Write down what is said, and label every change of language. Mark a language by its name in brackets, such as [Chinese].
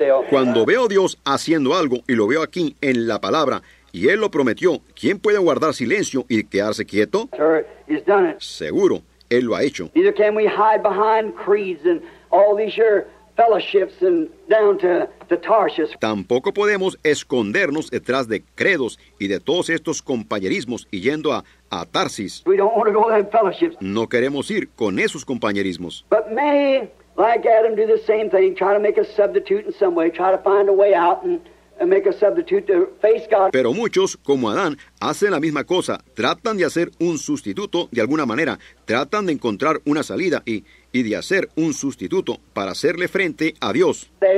[Spanish] Cuando veo a Dios haciendo algo y lo veo aquí en la palabra y Él lo prometió, ¿quién puede guardar silencio y quedarse quieto? [English] Sure, he's done it. [Spanish] Seguro, Él lo ha hecho. [English] Neither can we hide behind creeds and all these years. Fellowships and down to Tarshish. [Spanish] Tampoco podemos escondernos detrás de credos y de todos estos compañerismos y yendo a Tarsis. [English] We don't want to go in fellowships. [Spanish] No queremos ir con esos compañerismos. [English] But many, like Adam, do the same thing, try to make a substitute in some way, try to find a way out and make a substitute to face God. [Spanish] Pero muchos, como Adán, hacen la misma cosa. Tratan de hacer un sustituto de alguna manera. Tratan de encontrar una salida y de hacer un sustituto para hacerle frente a Dios.